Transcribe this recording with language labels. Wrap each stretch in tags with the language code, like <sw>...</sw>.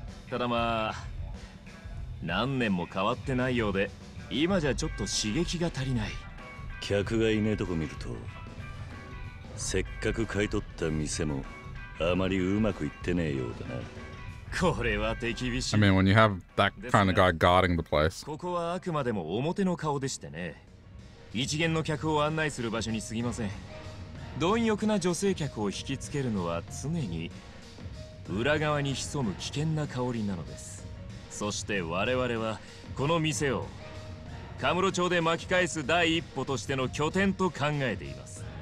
<ja>ただまあ何年も変わってないようで、今じゃちょっと刺激が足りない。客がいねえとこ見ると、せっかく買い取った店もあまりうまくいってねえようだな。これは手厳しい。</ja> <en>I mean, when you have that kind of guy guarding the place.</en> <ja>ここはあくまでも表の顔でしてね。一元の客を案内する場所に過ぎません。貪欲な女性客を引きつけるのは常に裏側に潜む危険な香りなのです。そして我々はこの店をカムロ町で巻き返す第一歩としての拠点と考えています。</ja>